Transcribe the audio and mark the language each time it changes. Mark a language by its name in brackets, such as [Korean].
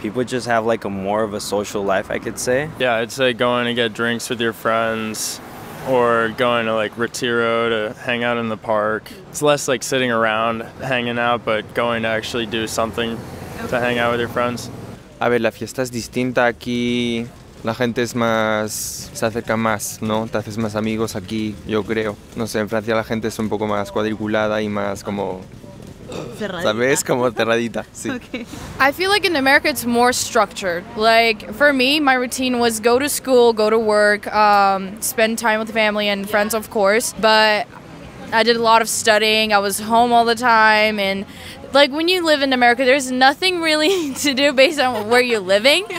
[English] People just have like a more of a social life, I could say. Yeah, I'd say going to get drinks with your friends or going to like Retiro to hang out in the park. It's less like sitting around hanging out, but going to actually do something to hang out with your friends. [Spanish] A ver, la fiesta es distinta aquí. La gente es más, se acerca más, ¿no? Te haces más amigos aquí, yo creo. No sé, en Francia la gente es un poco más cuadriculada y más como... ¿Sabes? Como cerradita, sí. [English] I feel like in America it's more structured. Like for me, my routine was go to school, go to work, spend time with family and friends, of course. But I did a lot of studying. I was home all the time. And like when you live in America, there's nothing really to do based on where you're living.